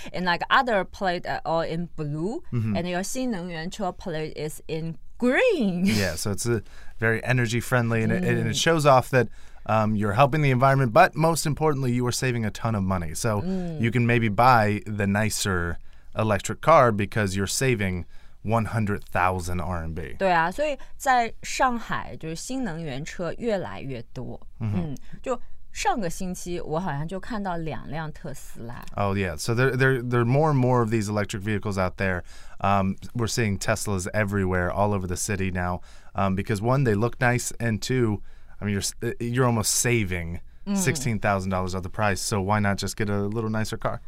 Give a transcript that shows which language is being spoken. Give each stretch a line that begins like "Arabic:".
English: And like other plate are all in blue, and your
Chinese: 新能源车
English: plate is in green. Yeah, so it's very energy friendly, and it shows off that you're helping the environment, but most importantly, you are saving a ton of money. So you can maybe buy the nicer electric car because you're saving 100,000 RMB.
Chinese: 对啊，所以在上海就是新能源车越来越多。嗯，就上个星期我好像就看到两辆特斯拉。
English: Oh yeah, so there are more and more of these electric vehicles out there. We're seeing Teslas everywhere, all over the city now. Because one, they look nice, and two, I mean, you're almost saving $16,000 of the price, so why not just get a little nicer car?